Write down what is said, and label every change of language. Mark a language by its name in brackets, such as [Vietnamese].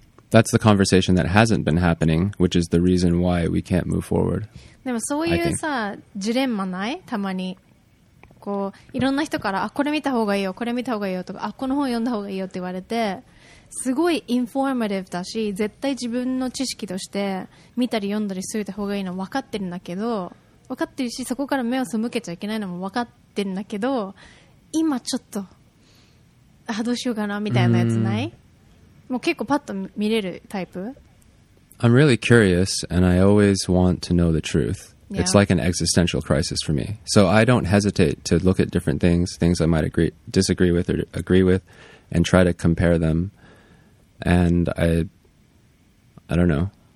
[English] That's the conversation that hasn't been happening, which is the reason why we can't move forward. [Japanese] でもそういうさ、ジレンマない？たまにこういろんな人からあこれ見た方がいいよ、これ見た方がいいよとかあこの本読んだ方がいいよって言われて。すごいインフォーマティブだし絶対自分の知識として見たり読んだりするた方がいいの分かってるんだけど分かってるしそこから目を背けちゃいけないのも分かってるんだけど今ちょっとあどうしようかなみたいなやつない、もう結構パッと見れるタイプ [English] I'm really curious and I always want to know the truth、yeah. It's like an existential crisis for me So I don't hesitate to look at different things I might disagree with or agree with and try to compare themAnd I don't know.